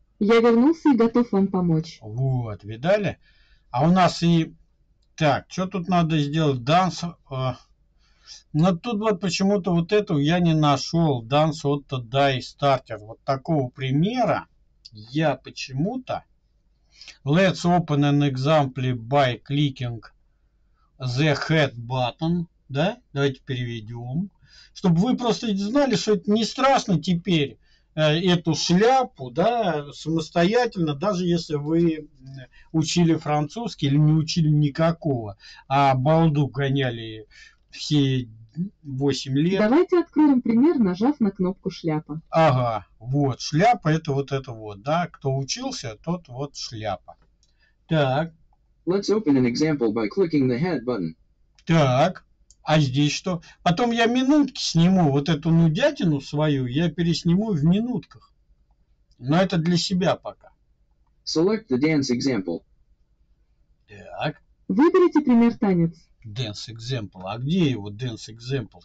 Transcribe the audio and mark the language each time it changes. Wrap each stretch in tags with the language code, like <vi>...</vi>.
<ru>Я вернулся и готов вам помочь. Вот, видали? А у нас и... Так, что тут надо сделать?</ru> <en>Dance.</en> <ru>Но тут вот почему-то вот эту я не нашел.</ru> <en>Dance Otto Die Starter.</en> <ru>Вот такого примера я почему-то.</ru> <en>Let's open an example by clicking the head button.</en> <ru>Да? Давайте переведем. Чтобы вы просто знали, что это не страшно теперь. эту шляпу, да, самостоятельно, даже если вы учили французский или не учили никакого, а балду гоняли все 8 лет. Давайте откроем пример, нажав на кнопку «Шляпа». Ага, вот, шляпа, это вот это вот, да, кто учился, тот вот шляпа. Так.</ru> <en>Let's open an example by clicking the head button.</en> <ru>Так. А здесь что? Потом я минутки сниму вот эту нудятину свою, я пересниму в минутках. Но это для себя пока.</ru> <en>Select the dance example.</en> <ru>Так. Выберите пример танец.</ru> <en>Dance example.</en> <ru>А где его</ru> <en>dance example?</en>